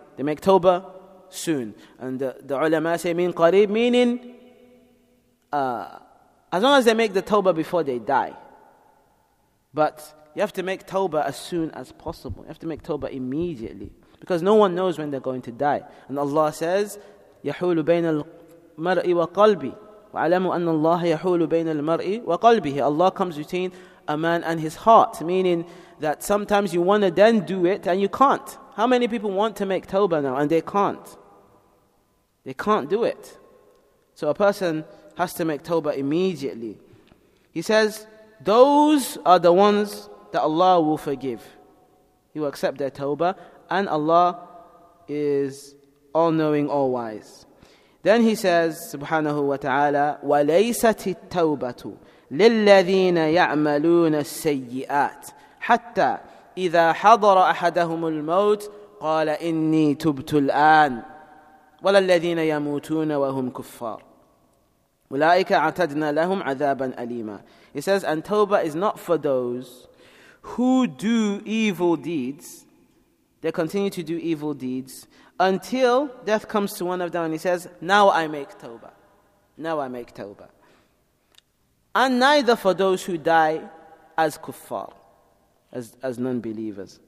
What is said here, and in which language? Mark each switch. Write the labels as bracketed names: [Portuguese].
[English] They make tawbah soon. And the ulama say min qareeb, meaning as long as they make the tawbah before they die. But you have to make tawbah as soon as possible. You have to make tawbah immediately. Because no one knows when they're going to die. And Allah says, [Arabic] يَحُولُ بَيْنَ الْمَرْءِ وَقَلْبِ وَعَلَمُوا أَنَّ اللَّهَ يَحُولُ بَيْنَ الْمَرْءِ وَقَلْبِهِ. [English] Allah comes between a man and his heart. Meaning that sometimes you want to then do it and you can't. How many people want to make tawbah now and they can't? They can't do it. So a person has to make tawbah immediately. He says, those are the ones that Allah will forgive. He will accept their tawbah, and Allah is all-knowing, all-wise. Then he says, [Arabic] subhanahu wa ta'ala, وَلَيْسَتِ التَّوْبَةُ لِلَّذِينَ يَعْمَلُونَ السَّيِّئَاتِ حَتَّى إِذَا حَضَرَ أَحَدَهُمُ الْمَوْتِ قَالَ إِنِّي تُبْتُ الْآنِ وَلَا الَّذِينَ يَمُوتُونَ وَهُمْ كُفَّارِ أُولَٰئِكَ عَتَدْنَا لَهُمْ عَذَابًا أَلِيمًا. [English] He says, and tawbah is not for those who do evil deeds. They continue to do evil deeds until death comes to one of them. And he says, now I make tawbah. Now I make tawbah. And neither for those who die as kuffar, as non-believers.